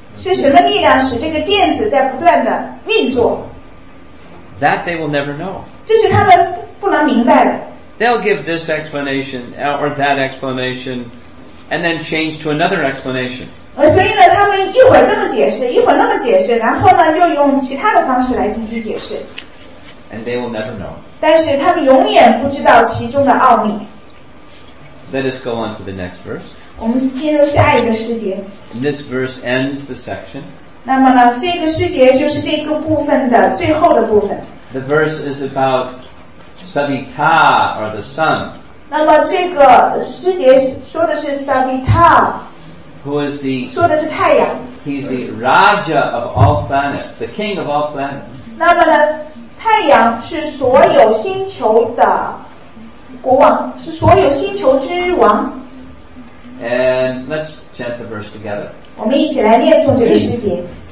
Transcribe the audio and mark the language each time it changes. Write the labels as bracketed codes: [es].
[zh] 是什么力量使这个电子在不断的运作 [en] ？That they will never know. [zh] 这是他们不能明白的。 [en] They'll give this explanation or that explanation, and then change to another explanation. [zh] 所以呢，他们一会儿这么解释，一会儿那么解释，然后呢，又用其他的方式来进行解释。 [en] And they will never know. [zh] 但是他们永远不知道其中的奥秘。 [en] Let us go on to the next verse. [zh] 我们进入下一个诗节。 [en] And this verse ends the section. [zh] 那么呢，这个诗节就是这个部分的最后的部分。 [en] The verse is about Savita or the sun. [zh] 那么这个诗节说的是 Savita. [en] Who is the? [zh] 说的是太阳。 [en] He's the Raja of all planets, the king of all planets. [zh] 那么呢？太阳是所有星球的国王，是所有星球之王。 [en] And let's chant the verse together. [zh] 我们一起来念诵这个诗节。